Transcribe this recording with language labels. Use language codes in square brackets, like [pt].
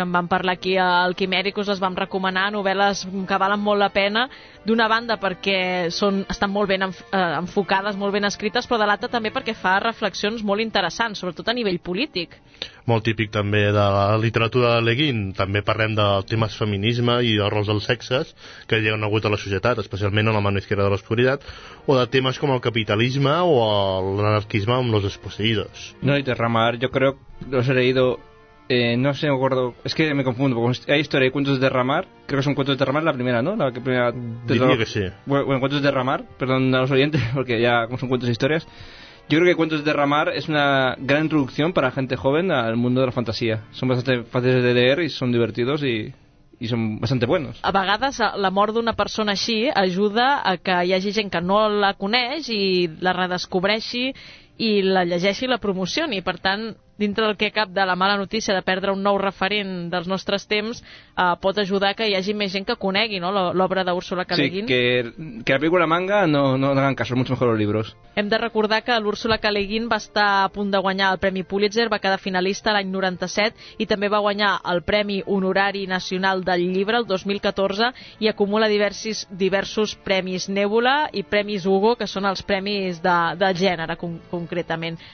[ca] Que en vam parlar aquí al Quimèricos, les vam recomanar, novel·les que valen molt la pena, d'una banda perquè estan molt ben enfocades, molt ben escrites, però de l'altra també perquè fa reflexions molt interessants, sobretot a nivell polític. Molt típic també de la literatura de Le Guin. També parlem del tema feminisme i dels rols dels sexes que hi han hagut a la societat, especialment a La mano izquierda de l'oscuridad, o de temes com el capitalisme o l'anarquisme amb Los Desposeídos. [es] No, y Terramar, yo creo que los he leído, no sé, me acuerdo, es que me confundo, porque hay historia, hay cuentos de Terramar, creo que son cuentos de Terramar la primera, ¿no? Diría que sí. Bueno, cuentos de Terramar, perdón a los oyentes, porque ya como son cuentos de historias, yo creo que Cuentos de Terramar es una gran introducción para gente joven al mundo de la fantasía. Son bastante fáciles de leer y son divertidos y son bastante buenos. [ca] A vegades la mort d'una persona així ajuda a que hi hagi gent que no la coneix i la redescobreixi i la llegeixi i la promocioni. Per tant, dintre del que cap de la mala notícia de perdre un nou referent dels nostres temps, pot ajudar que hi hagi més gent que conegui, no?, l'obra d'Úrsula K. Le Guin. [es] Sí, que la película manga no hagan caso, mucho mejor los libros. [ca] Hem de recordar que l'Úrsula K. Le Guin va estar a punt de guanyar el Premi Pulitzer, va quedar finalista l'any 97 i també va guanyar el Premi Honorari Nacional del Llibre el 2014 i acumula diversos premis Nebula i premis Hugo, que són els premis de gènere, concretament.